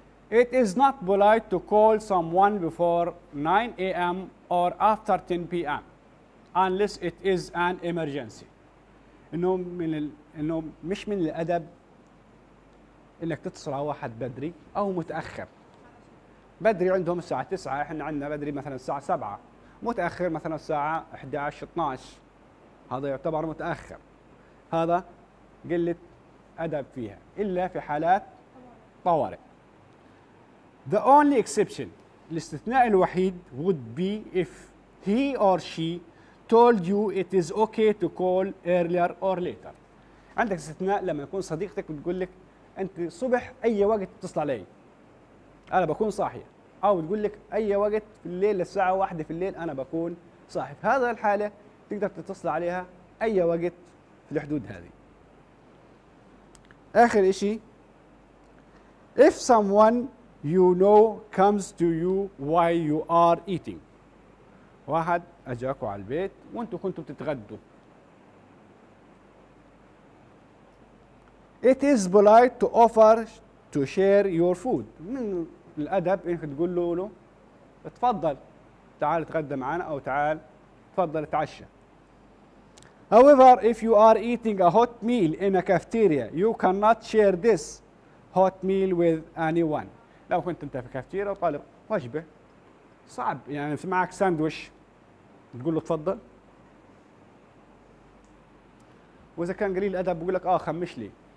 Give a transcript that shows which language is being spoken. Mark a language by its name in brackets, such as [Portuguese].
[English] It is not polite to call someone before 9 a.m. or after 10 p.m. unless it is an emergency. [Arabic] إنه من إنه مش من الأدب إنك تتصل على واحد بدري أو متأخر. بدري عندهم الساعة 9، إحنا عندنا بدري مثلاً الساعة 7. متأخر مثلا الساعة 11-12 هذا يعتبر متأخر، هذا قلة أدب فيها إلا في حالات طوارئ. [English] The only exception، [Arabic] الاستثناء الوحيد [English] would be if he or she told you it is okay to call earlier or later. [Arabic] عندك استثناء لما يكون صديقتك بتقول لك أنت صبح أي وقت تصل علي أنا بكون صاحية، أو تقول لك أي وقت في الليل الساعة 1 في الليل أنا بكون صاحي. في هذا الحالة تقدر تتصل عليها أي وقت في الحدود هذه. آخر إشي، [English] If someone you know comes to you while you are eating، [Arabic] واحد أجاكوا على البيت وأنتوا كنتوا بتتغدوا، [English] It is polite to offer to share your food، [Arabic] الأدب إنك تقول له تفضل تعال تغدى معنا أو تعال تفضل تعشى. [English] However if you are eating a hot meal in a cafeteria you cannot share this hot meal with anyone. [Arabic] لو كنت أنت في كافتيريا وطالب وجبة، صعب يعني في معك ساندويش تقول له تفضل، وإذا كان قليل الأدب بقول لك آه خمش لي.